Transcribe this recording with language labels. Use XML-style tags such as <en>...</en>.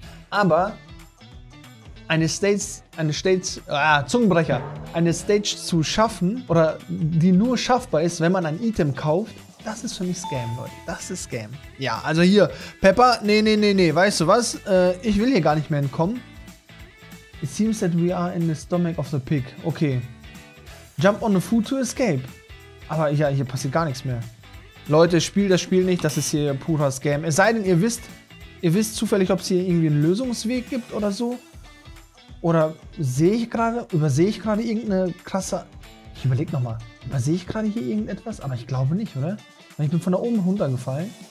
<de>Aber eine Stage zu schaffen oder die nur schaffbar ist, wenn man ein Item kauft, das ist für mich Scam, Leute. Das ist Scam. Ja, also hier, Pepper, nee, weißt du was? Ich will hier gar nicht mehr entkommen.</de> <en>It seems that we are in the stomach of the pig. Okay. Jump on the food to escape.</en> <de>Aber ja, hier passiert gar nichts mehr. Leute, spielt das Spiel nicht, das ist hier purer Scam. Es sei denn, ihr wisst zufällig, ob es hier irgendwie einen Lösungsweg gibt oder so. Oder übersehe ich gerade irgendeine krasse... Ich überlege nochmal. Übersehe ich gerade hier irgendetwas? Aber ich glaube nicht, oder? Weil ich bin von da oben runtergefallen.</de>